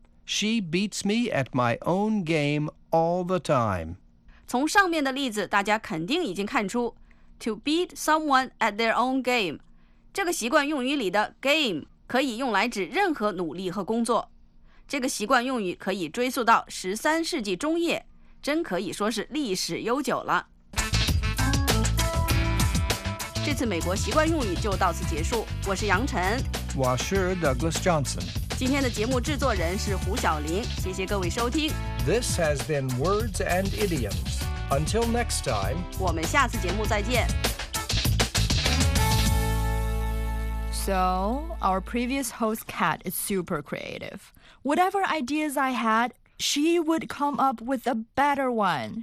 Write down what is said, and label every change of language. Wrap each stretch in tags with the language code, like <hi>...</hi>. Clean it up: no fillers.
<en>She beats me at my own game all the time.</en> <zh>从上面的例子，大家肯定已经看出To beat someone at their own game. 这个习惯用语里的 game 可以用来指任何努力和工作。这个习惯用语可以追溯到13世纪中叶，真可以说是历史悠久了。这次美国习惯用语就到此结束。我是杨晨。我是 Douglas Johnson。今天的节目制作人是胡晓琳。谢谢各位收听。</zh> <en>This has been Words and Idioms. Until next time,</en> <zh>我们下次节目再见。</zh> <en>So, our previous host Kat is super creative. Whatever ideas I had, she would come up with a better one.</en>